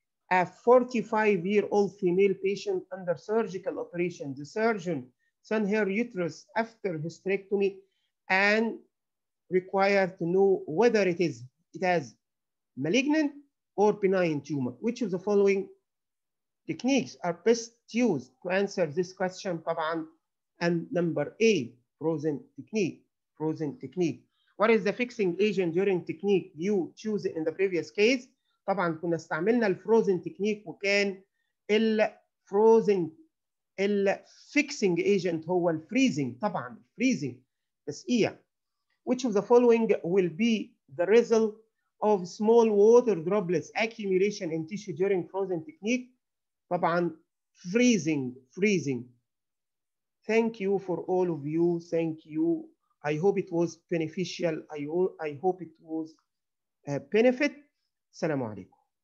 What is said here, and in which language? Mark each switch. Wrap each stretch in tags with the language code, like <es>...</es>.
<en>A 45-year-old female patient under surgical operation, the surgeon sent her uterus after hysterectomy and required to know whether it has malignant or benign tumor. Which of the following techniques are best used to answer this question? And number A, frozen technique. What is the fixing agent during technique you choose in the previous case?</en> <ar>طبعا كنا استعملنا الفروزن تكنيك، وكان الفروزن الفيكسنج ايجنت هو الفريزنج، طبعا الفريزنج تسقيع.</ar> <en>Which of the following will be the result of small water droplets accumulation in tissue during frozen technique? طبعا freezing. Thank you for all of you. Thank you. I hope it was beneficial. I hope it was a benefit. Assalamu alaikum.</en>